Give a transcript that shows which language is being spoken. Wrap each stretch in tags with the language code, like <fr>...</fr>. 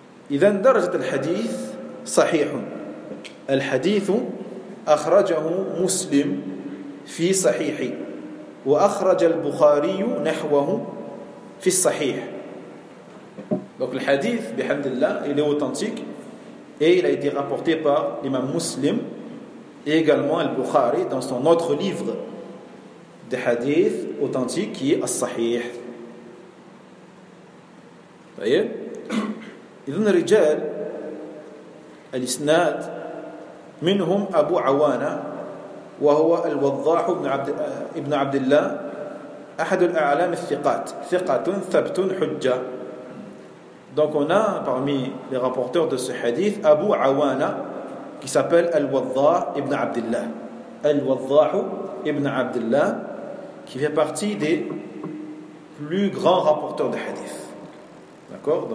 <ar>إذن درجة الحديث صحيح الحديث أخرجه مسلم في صحيح وأخرج البخاري نحوه في الصحيح</ar> <fr>donc le hadith bihamdillah il est authentique et il a été rapporté par l'imam muslim et également al-Bukhari dans son autre livre de hadith authentique qui est al-Sahih.</fr> <ar>طيب إذن رجال الإسناد منهم أبو عوانة وهو الوضاح ابن عبد الله أحد الأعلام الثقات ثقة ثبت حجة.</ar> <fr>Donc on a parmi les rapporteurs de ce hadith Abu Awana qui s'appelle Al-Wadda' ibn Abdillah. Al-Wadda' ibn Abdillah qui fait partie des plus grands rapporteurs de hadith. D'accord?</fr>